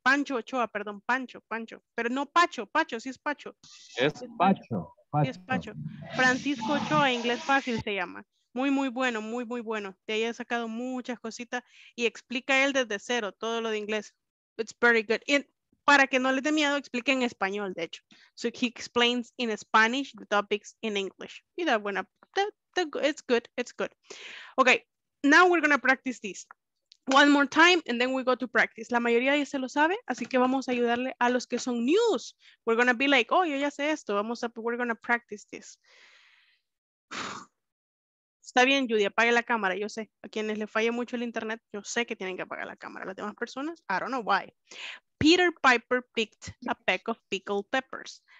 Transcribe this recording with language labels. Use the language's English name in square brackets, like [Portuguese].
[Spanish] Pancho Ochoa, perdón, Pancho. Pero no Pacho, Pacho, sí es Pacho. Es Pacho. Sí es Pacho. Francisco Ochoa, inglés fácil se llama. Muy, muy bueno, muy, muy bueno. De ahí he sacado muchas cositas y explica él desde cero todo lo de inglés. [English] It's very good. [Spanish] Y para que no le dé miedo, explique en español, de hecho. [English] So he explains in Spanish the topics in English. [Spanish] Y da buena. [English] It's good, it's good. Okay, now we're going to practice this. One more time and then we go to practice. [Spanish] La mayoría ya se lo sabe, así que vamos a ayudarle a los que son news. [English] We're going to be like, oh, [Spanish] yo ya sé esto. Vamos a, [English] we're going to practice this. [Spanish] Está bien, Judy, apague la cámara, yo sé. A quienes le falle mucho el internet, yo sé que tienen que apagar la cámara. Las demás personas, [English] I don't know why. Peter Piper picked a peck of pickled peppers.